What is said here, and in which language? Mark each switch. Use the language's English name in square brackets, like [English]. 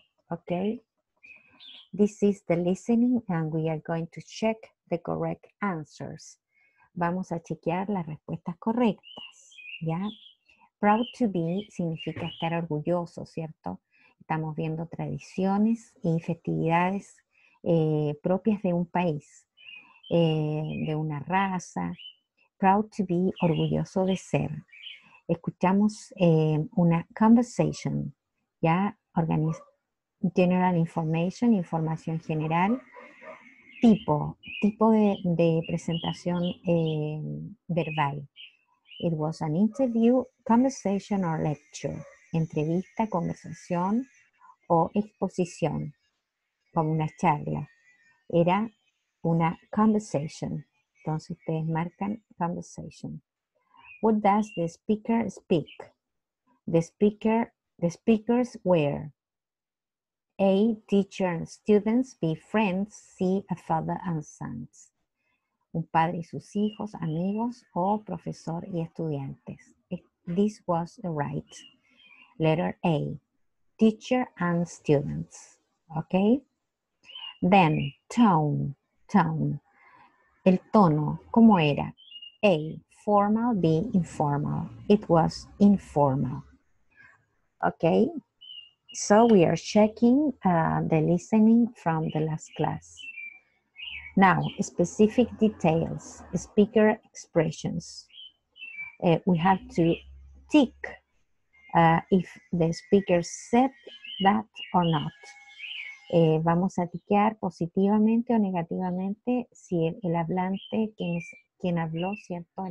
[English] Okay, this is the listening, and we are going to check the correct answers. [Spanish] Vamos a chequear las respuestas correctas. Ya, proud to be significa estar orgulloso, ¿cierto? Estamos viendo tradiciones y festividades propias de un país, de una raza. [English] Proud to be, [Spanish] orgulloso de ser. Escuchamos una conversation, ya, [English] general information, [Spanish] información general, tipo de presentación verbal. It was an interview, conversation or lecture, entrevista, conversación o exposición, como una charla. Era una conversation. Entonces ustedes marcan conversation. [English] What does the speaker speak? The speakers were A, teacher and students, B, friends, C, a father and sons. [Spanish] Un padre y sus hijos, amigos o profesor y estudiantes. [English] This was right. Letter A, teacher and students. Okay. Then tone. [Spanish] El tono, ¿cómo era? [English] A, formal, B, informal. It was informal. Okay, so we are checking the listening from the last class. Now, specific details, speaker expressions. We have to tick if the speaker said that or not. [Spanish] Vamos a tiquear positivamente o negativamente si el hablante, quien habló, ¿cierto?